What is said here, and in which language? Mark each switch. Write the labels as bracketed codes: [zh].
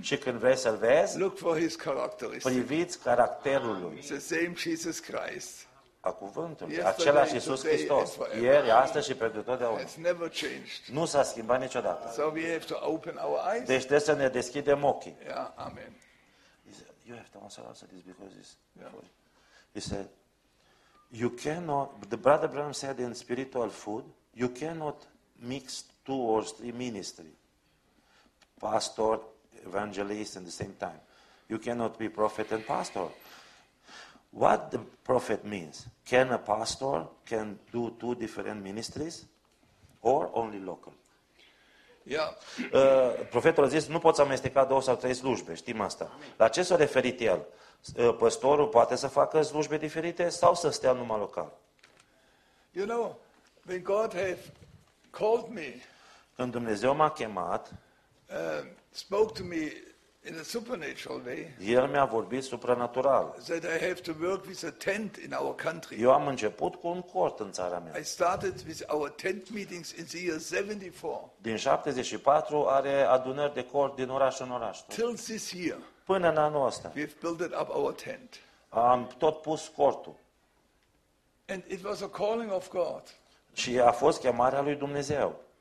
[ro] Și când vrei să-l vezi. [en] Look for his characteristics. [ro] Priviți caracterul lui. [en] The same Jesus Christ. [ro] A cuvântul. Același Iisus Hristos. Ieri, astăzi și pentru totdeauna. Nu s-a schimbat niciodată. Deci trebuie să ne deschidem ochii. [en] Yeah, amen. You have to answer this because it's he said, you cannot, the brother Branham said in spiritual food, you cannot mix two or three ministries. Pastor, evangelist at the same time. You cannot be prophet and pastor. What the prophet means? Can a pastor can do two different ministries or only local? Yeah. [ro] Profetul a zis, nu poți amesteca două sau trei slujbe, știm asta. La ce s-a referit el? Pastorul poate să facă slujbe diferite sau să stea numai local? [en] You know, when God has called me, [ro] când Dumnezeu m-a chemat, [en] spoke to me in a supernatural way. [ro] El mi-a vorbit supranatural. [en] That I have to work with a tent in our country. [ro] Eu am început cu un cort în țara mea. [en] I started with our tent meetings in the year 74. [ro] Din 74 are adunări de cort din oraș în oraș. [en] Till this year. [ro] Până în anul ăsta. [en] We've built up our tent. [ro] Am tot pus cortul. [en] And it was a calling of God. [ro] Și a fost chemarea lui Dumnezeu.